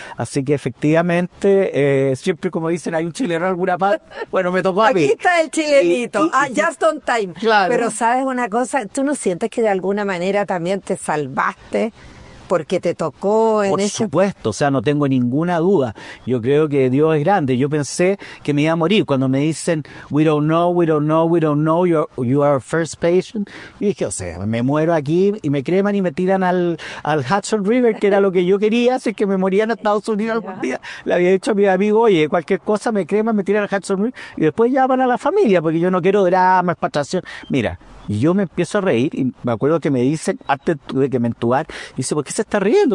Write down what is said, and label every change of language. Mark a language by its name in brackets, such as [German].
[Spanish] Así que efectivamente, siempre como dicen, hay un chileno en alguna parte. Bueno, me tocó a mí. Aquí está el chilenito. [English] Just on time. [Spanish] Claro. Pero sabes una cosa, ¿tú no sientes que de alguna manera también te salvaste? Porque te tocó en por ese... Por supuesto, o sea, no tengo ninguna duda. Yo creo que Dios es grande. Yo pensé que me iba a morir. Cuando me dicen, [English] we don't know, you are our first patient. [Spanish] Y dije, o sea, me muero aquí y me creman y me tiran al Hudson River, que era lo que yo quería, así que me moría en Estados Unidos algún día. Le había dicho a mi amigo, oye, cualquier cosa, me creman, me tiran al Hudson River. Y después llaman a la familia, porque yo no quiero drama, expatriación. Mira, yo me empiezo a reír y me acuerdo que me dicen, antes tuve que mentuar, y dice, ¿por qué se está riendo?